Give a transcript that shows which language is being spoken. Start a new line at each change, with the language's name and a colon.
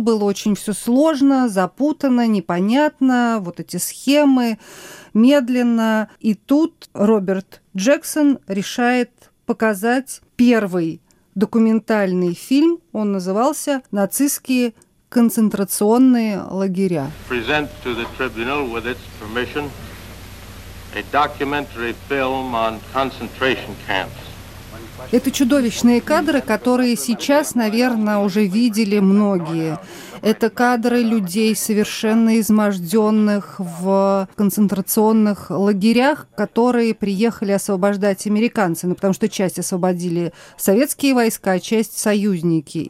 Russian: Было очень все сложно, запутанно, непонятно. Вот эти схемы медленно. И тут Роберт Джексон решает показать первый документальный фильм. Он назывался «Нацистские концентрационные лагеря».
English: Present to the tribunal with its permission a documentary film on concentration camps.
Russian: Это чудовищные кадры, которые сейчас, наверное, уже видели многие. Это кадры людей, совершенно изможденных в концентрационных лагерях, которые приехали освобождать американцы, ну, потому что часть освободили советские войска, а часть — союзники.